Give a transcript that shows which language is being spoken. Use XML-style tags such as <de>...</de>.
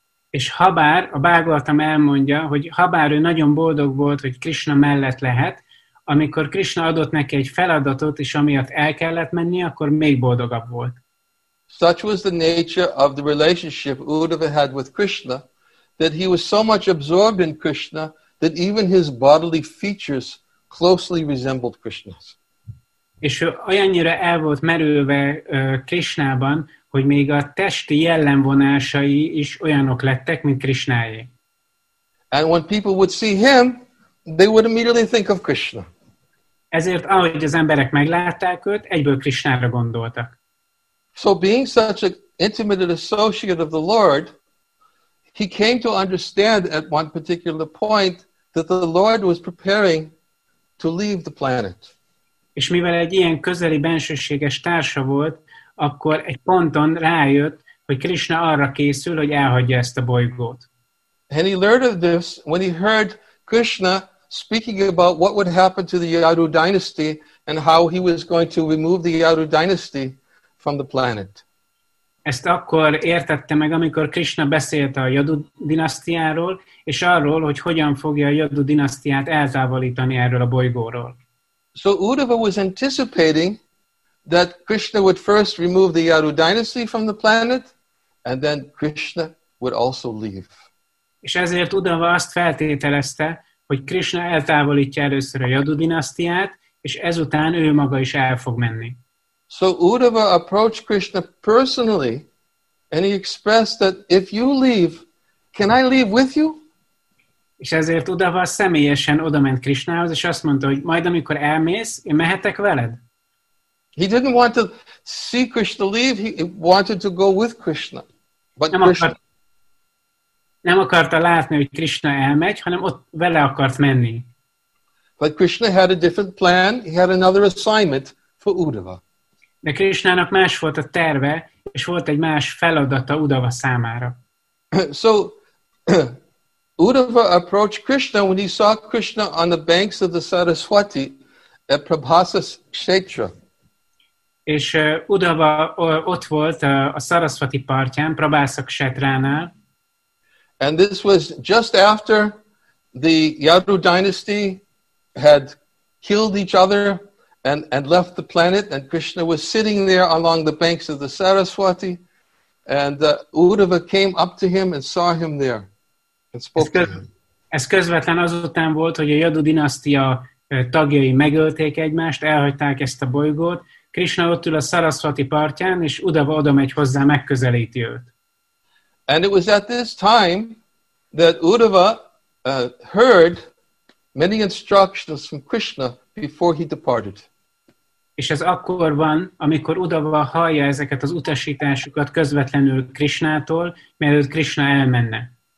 <hu>És habár a Bhagavatam elmondja, hogy habár ő nagyon boldog volt, hogy Krishna mellett lehet, amikor Krishna adott neki egy feladatot, és amiatt el kellett menni, akkor még boldogabb volt.</hu> <en>Such was the nature of the relationship Uddhava had with Krishna, that he was so much absorbed in Krishna, that even his bodily features closely resembled Krishna's.</en> <hu>És ő olyannyira el volt merülve Krishnában, hogy még a testi jellemvonásai is olyanok lettek, mint Krishnáé.</hu> <en>And when people would see him, they would immediately think of Krishna.</en> <hu>Ezért ahogy az emberek meglátták őt, egyből Krishnára gondoltak.</hu> <en>So being such an intimate associate of the Lord, he came to understand at one particular point that the Lord was preparing to leave the planet.</en> <hu>És mivel egy ilyen közeli bensőséges társa volt, akkor egy ponton rájött, hogy Krishna arra készül, hogy elhagyja ezt a bolygót.</hu> <en>And he learned of this when he heard Krishna speaking about what would happen to the Yadu dynasty and how he was going to remove the Yadu dynasty from the planet.</en> <hu>Ezt akkor értette meg, amikor Krishna beszélt a Yadu dinasztiáról, és arról, hogy hogyan fogja a Yadu dinasztiát eltávolítani erről a bolygóról.</hu> <en>So Uddhava was anticipating that Krishna would first remove the Yadu dynasty from the planet, and then Krishna would also leave.</en> <hu>És ezért Uddhava azt feltételezte, hogy Krishna eltávolítja először a Yadu dinasztiát, és ezután ő maga is el fog menni.</hu> <en>So Uddhava approached Krishna personally, and he expressed that if you leave, can I leave with you?</en> <hu>És ezért Uddhava személyesen odament Krishnához, és azt mondta, hogy majd amikor elmész, én mehetek veled.</hu> <en>He didn't want to see Krishna leave, he wanted to go with Krishna.</en> <hu>But nem akarta látni, hogy Krishna elmegy, hanem ott vele akart menni.</hu> <en>But Krishna had a different plan, he had another assignment for Uddhava.</en> <hu>De Krishnának más volt a terve, és volt egy más feladata Uddhava számára.</hu> <en>So Uddhava approached Krishna when he saw Krishna on the banks of the Saraswati at Prabhasa Kshetra.</en> <hu>És Uddhava ott volt a Saraswati partján, Prabhasa Kshetránál.</hu> <en>And this was just after the Yadu dynasty had killed each other and left the planet, and Krishna was sitting there along the banks of the Saraswati, and Uddhava came up to him and saw him there and spoke to him.</en> <hu>Ez közvetlen azután volt, hogy a Yadu dinasztia tagjai megölték egymást, elhagyták ezt a bolygót. Krishna ott ül a Saraswati partján, és Uddhava oda megy hozzá, megközelíti őt.</hu> <en>And it was at this time that Uddhava heard many instructions from Krishna before he departed.</en> <hu>És ez akkor van, amikor Uddhava hallja ezeket az utasításokat közvetlenül Krishnától, mielőtt Krishna elmenne.</hu>